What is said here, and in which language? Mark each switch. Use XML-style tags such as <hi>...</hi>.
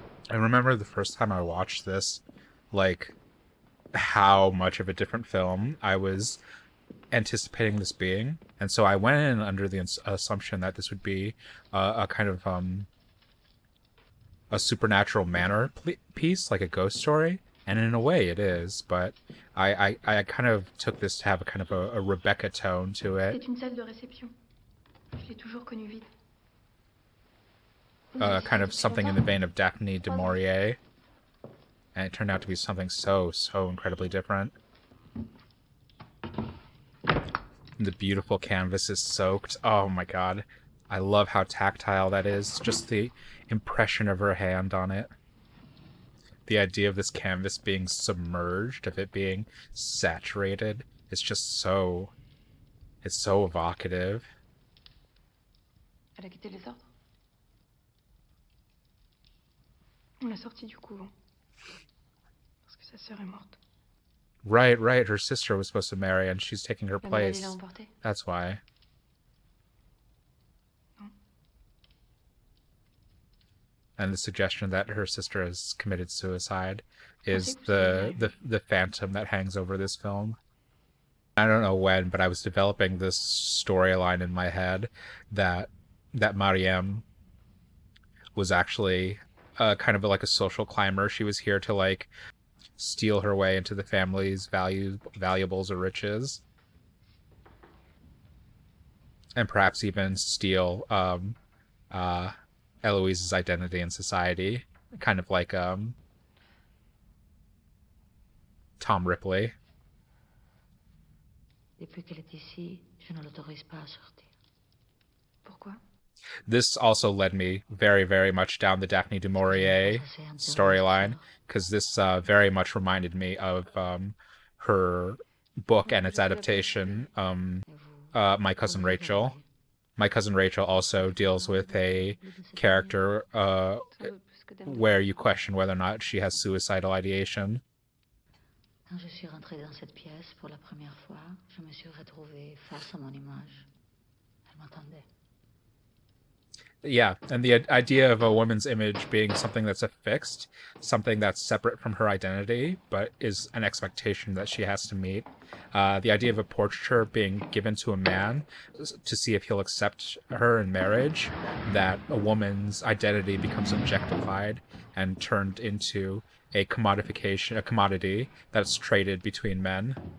<en>I remember the first time I watched this, like, how much of a different film I was anticipating this being. And so I went in under the assumption that this would be a supernatural manor piece, like a ghost story. And in a way it is, but I kind of took this to have a kind of a Rebecca tone to it.</en> <fr>C'est une salle de réception. Je l'ai toujours connu vide.</fr> <en>Kind of something in the vein of Daphne du Maurier. And it turned out to be something so, so incredibly different. The beautiful canvas is soaked. Oh my god. I love how tactile that is. Just the impression of her hand on it. The idea of this canvas being submerged, of it being saturated, is just so... it's so evocative.</en> <fr>Elle a quitté les ordres. On l'a sortie du couvent. Parce que sa sœur est morte.</fr> <en>Right, right. Her sister was supposed to marry and she's taking her place. That's why. And the suggestion that her sister has committed suicide is the phantom that hangs over this film. I don't know when, but I was developing this storyline in my head that Marianne was actually kind of like a social climber. She was here to like steal her way into the family's valuables or riches. And perhaps even steal Héloïse's identity in society. Kind of like Tom Ripley.</en> <fr>Depuis qu'elle est ici, je ne l'autorise pas à sortir. Pourquoi?</fr> <en>This also led me very, very much down the Daphne du Maurier storyline, because this very much reminded me of her book and its adaptation, My Cousin Rachel. My Cousin Rachel also deals with a character where you question whether or not she has suicidal ideation.</en> <fr>Quand je suis rentrée dans cette pièce pour la première fois, je me suis retrouvée face à mon image. Elle m'entendait.</fr> <en>Yeah, and the idea of a woman's image being something that's affixed, something that's separate from her identity, but is an expectation that she has to meet. The idea of a portraiture being given to a man to see if he'll accept her in marriage, that a woman's identity becomes objectified and turned into a commodification, a commodity that's traded between men.</en>